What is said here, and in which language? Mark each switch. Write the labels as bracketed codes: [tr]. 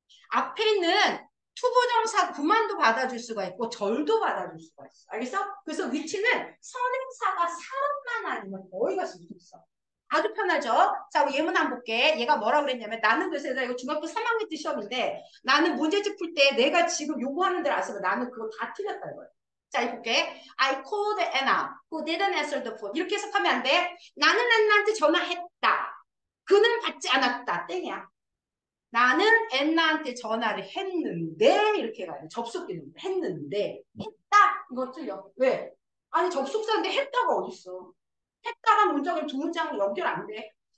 [ko] 앞에 있는 투부정사 구만도 받아줄 수가 있고 절도 받아줄 수가 있어. 알겠어? 그래서 위치는 선행사가 사람만 아니면 어이가 쓸수 있어. 아주 편하죠? 자, 예문 한번 볼게. 얘가 뭐라 그랬냐면 나는 그래서 이거 중학교 3학년 때 시험인데 나는 문제집 풀때 내가 지금 요구하는 대로 안 쓰면 나는 그거 다 틀렸다 이거야. 자, 이렇게 볼게. [en] I called Anna, who didn't answer the phone. [ko] 이렇게 해석하면 안 돼. 나는 엔나한테 전화했다. 그는 받지 않았다. 땡이야. 나는 엔나한테 전화를 했는데 이렇게 가요. 접속 기능. 했는데. 했다. 이거 틀려. 왜? 아니, 접속사인데 했다가 어딨어. 했다가 문장을 두 문장 연결 안 돼.